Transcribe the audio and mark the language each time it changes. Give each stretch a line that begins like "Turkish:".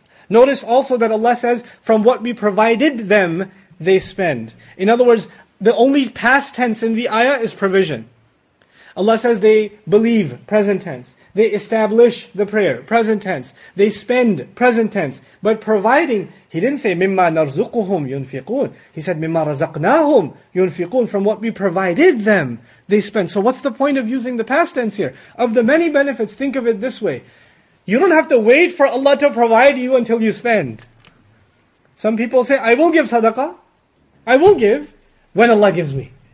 English: Notice also that Allah says, from what we provided them, they spend. In other words, the only past tense in the ayah is provision. Allah says they believe, present tense. They establish the prayer, present tense. They spend, present tense. But providing, He didn't say,
Arabic: مِمَّا نَرْزُقُهُمْ يُنْفِقُونَ.
English: He said,
Arabic: مِمَّا رَزَقْنَاهُمْ يُنْفِقُونَ.
English: From what we provided them, they spend. So what's the point of using the past tense here? Of the many benefits, think of it this way. You don't have to wait for Allah to provide you until you spend. Some people say, "I will give sadaqah. I will give when Allah gives me."